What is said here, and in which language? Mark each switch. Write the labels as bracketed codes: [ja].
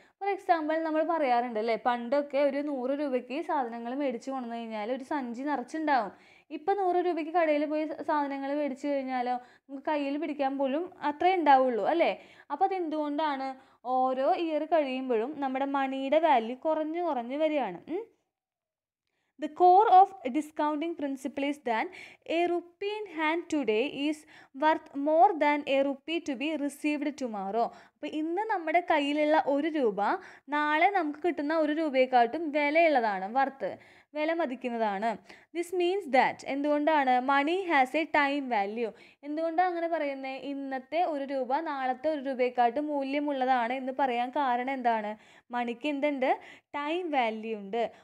[ml] For example, നമ്മൾ പറയാറുണ്ട് അല്ലേ, പണ്ടൊക്കെ ഒരു 100 രൂപയ്ക്ക് സാധനങ്ങൾ മേടിച്ച് കൊണ്ടു കഴിഞ്ഞാൽ ഒരു സഞ്ചി നിറച്ചുണ്ടാവും. ഇപ്പം 100 രൂപയ്ക്ക് കടയിൽ പോയി സാധനങ്ങൾ മേടിച്ചു കഴിഞ്ഞാലോ നമുക്ക് കയ്യിൽ പിടിക്കാൻ പോലും അത്രേ ഉണ്ടാവുള്ളൂ അല്ലേ. അപ്പോൾ അതെന്തുകൊണ്ടാണ്, ഓരോ ഇയർ കഴിയുമ്പോഴും നമ്മുടെ മണിയുടെ വാല്യൂ കുറഞ്ഞു വരികയാണ്. [en] The core of discounting principle is that a rupee in hand today is worth more than a rupee to be received tomorrow. [ml] അപ്പോൾ ഇന്ന് നമ്മുടെ കയ്യിലുള്ള 1 രൂപ നാളെ നമുക്ക് കിട്ടുന്ന 1 രൂപയെക്കാട്ടും വിലയുള്ളതാണ്, വർത്ത്, വില മതിക്കുന്നതാണ്. [en] this means that, [ml] എന്തുകൊണ്ടാണ്, [en] Money has a time value. [ml] എന്തുകൊണ്ടാണ് അങ്ങനെ പറയുന്നത്, ഇന്നത്തെ 1 രൂപ നാളത്തെ 1 രൂപയെക്കാട്ടും മൂല്യമുള്ളതാണ് എന്ന് പറയാൻ കാരണം എന്താണ്, മണിക്ക് എന്തുണ്ട്, ടൈം വാല്യൂ ഉണ്ട്.